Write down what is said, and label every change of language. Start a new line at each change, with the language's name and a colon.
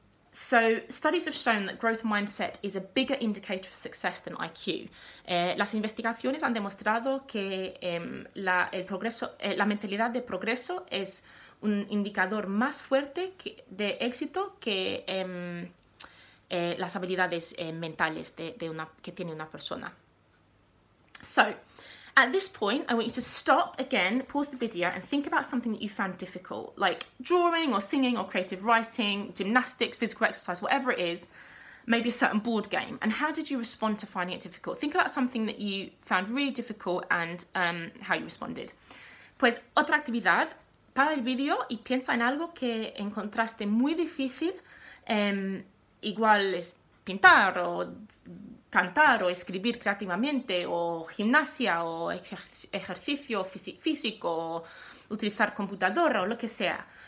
English: So studies have shown that growth mindset is a bigger indicator of success than IQ.
Spanish: Las investigaciones han demostrado que la mentalidad de progreso es un indicador más fuerte de éxito que las habilidades mentales que tiene una persona.
English: So, at this point, I want you to stop again, pause the video, and think about something that you found difficult, like drawing or singing or creative writing, gymnastics, physical exercise, whatever it is, maybe a certain board game. And how did you respond to finding it difficult? Think about something that you found really difficult and how you responded.
Spanish: Pues, otra actividad. Para el video y piensa en algo que encontraste muy difícil, igual es pintar o cantar o escribir creativamente o gimnasia o ejercicio físico o utilizar computadora o lo que sea.